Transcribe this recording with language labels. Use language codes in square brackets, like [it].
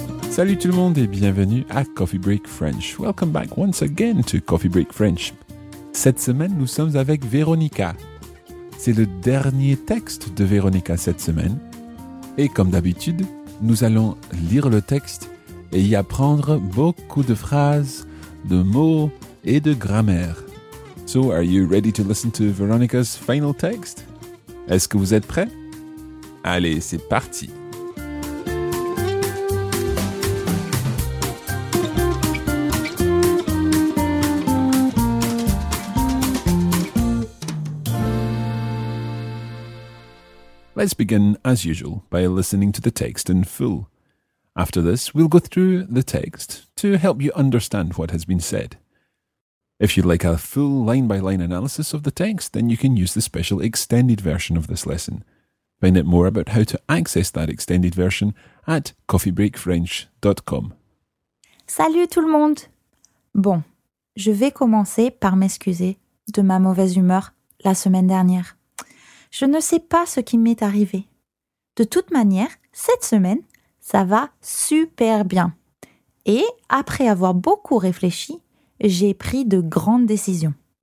[fr] Salut tout le monde et bienvenue à Coffee Break French. [en] Welcome back once again to Coffee Break French. [fr] Cette semaine, nous sommes avec Véronica. C'est le dernier texte de Véronica cette semaine. Et comme d'habitude, nous allons lire le texte et y apprendre beaucoup de phrases, de mots et de grammaire. [en] So, are you ready to listen to Veronica's final text? [fr] Est-ce que vous êtes prêts? Allez, c'est parti! [en] Let's begin, as usual, by listening to the text in full. After this, we'll go through the text to help you understand what has been said. If you'd like a full line-by-line analysis of the text, then you can use the special extended version of this lesson. Find out more about how to access that extended version at coffeebreakfrench.com. [fr] Salut tout le monde! Bon, je vais commencer par m'excuser de ma mauvaise humeur la semaine dernière. Je ne sais pas ce qui m'est arrivé. De toute manière, cette semaine, ça va super bien. Et après avoir beaucoup réfléchi, j'ai pris de grandes décisions.